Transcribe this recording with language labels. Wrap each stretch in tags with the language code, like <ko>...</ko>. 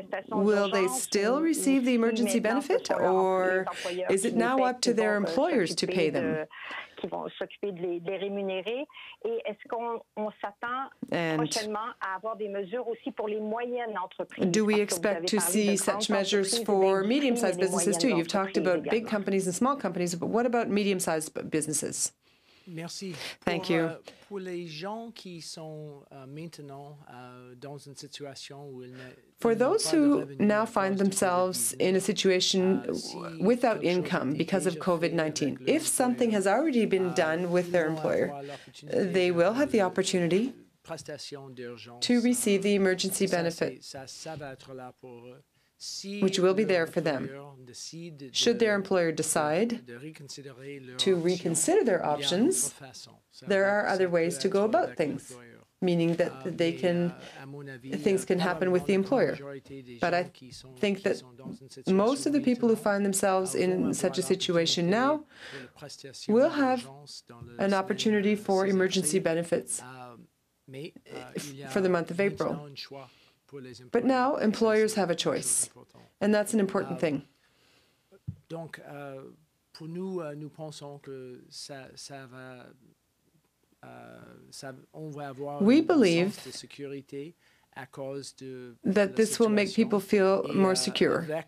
<en>Will they still receive the emergency benefit, or is it now up to their employers to pay them?</en> <fr>qui vont s'occuper de les rémunérer? Et est-ce qu'on s'attend prochainement à avoir des mesures aussi pour les moyennes entreprises?</fr> <en>Do we expect to see such measures for medium-sized businesses too? You've talked about big companies and small companies, but what about medium-sized businesses?</en> <fr>Merci.</fr> <en>Thank</en> <fr>pour,</fr> <en>you.</en> <fr>Pour les gens qui sont maintenant dans une situation où ils ne</fr> <en>For those who now find themselves in a situation without income because of COVID-19, if something has already been done with their employer, they will have the opportunity to receive the emergency benefit, which will be there for them. Should their employer decide to reconsider their options, there are other ways to go about things, meaning that they can, things can happen with the employer. But I think that most of the people who find themselves in such a situation now will have an opportunity for emergency benefits for the month of April. But now employers have a choice, and that's an important thing.</en> <fr>Donc, pour nous, nous pensons que ça va.</fr> <en>We believe that this will make people feel more secure.</en>